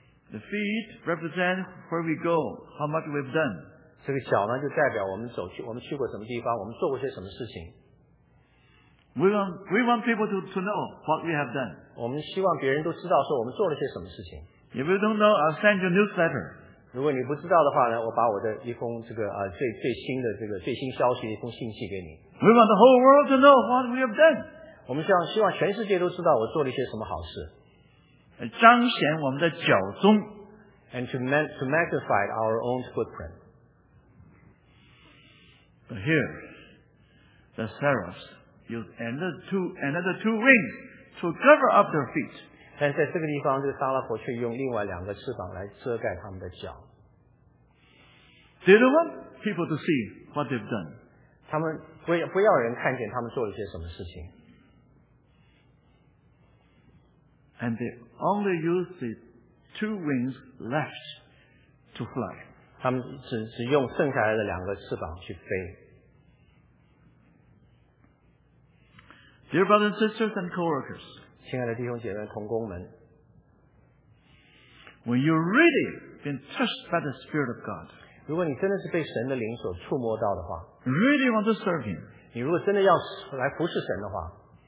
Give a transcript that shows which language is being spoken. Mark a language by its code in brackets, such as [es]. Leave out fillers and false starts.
[en] The feet represent where we go, how much we've done。 [zh] 这个脚呢，就代表我们去过什么地方，我们做过些什么事情。 [en] We want people to know what we have done. [zh] 我们希望别人都知道说我们做了些什么事情。 [en] If you don't know, I'll send you a newsletter. [zh] 如果你不知道的话呢，我把我的一封这个最新的这个最新消息一封信息给你。 [en] We want the whole world to know what we have done. [zh] 我们希望全世界都知道我做了一些什么好事。彰显我们的脚踪。 [en] And to magnify our own footprint. But here, the seraphs. Use another two wings to cover up their feet. [zh] 但在这个地方，这个撒拉佛却用另外两个翅膀来遮盖他们的脚。 [en] They don't want people to see what they've done. [zh] 他们不要人看见他们做了些什么事情。 [en] And they only use the two wings left to fly. [zh] 他们只用剩下来的两个翅膀去飞。 [en] Dear brothers and sisters and co-workers, [zh] 亲爱的弟兄姐妹同工们 [en] when you've really been touched by the Spirit of God, [zh] 如果你真的是被神的灵所触摸到的话 [en] really want to serve Him, [zh] 你如果真的要来服侍神的话